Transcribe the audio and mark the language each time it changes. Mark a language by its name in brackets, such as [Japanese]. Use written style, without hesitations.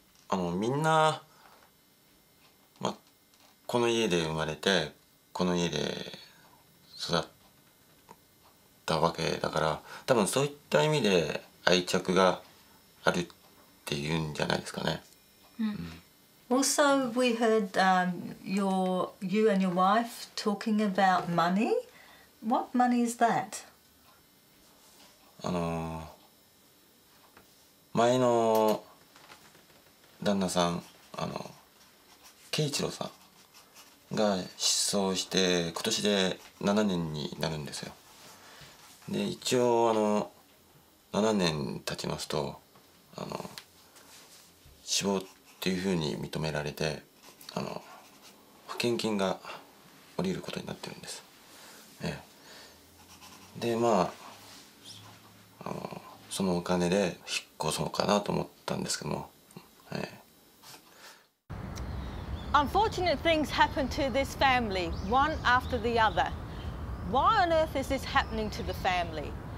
[Japanese] みんな、ま、この家で生まれて、この家で育ってわけだから、多分そういった意味で愛着があるっていうんじゃないですかね。 [English] Also, we heard you and your wife talking about money. What money is that? [Japanese] 前の旦那さん、ケイチロさんが失踪して今年で7年になるんですよ。で一応7年経ちますと死亡っていうふうに認められて保険金が下りることになってるんです。でまあそのお金で引っ越そうかなと思ったんですけども。 [English] Unfortunate things happen to this family, one after the other. Why on earth is this happening to the family?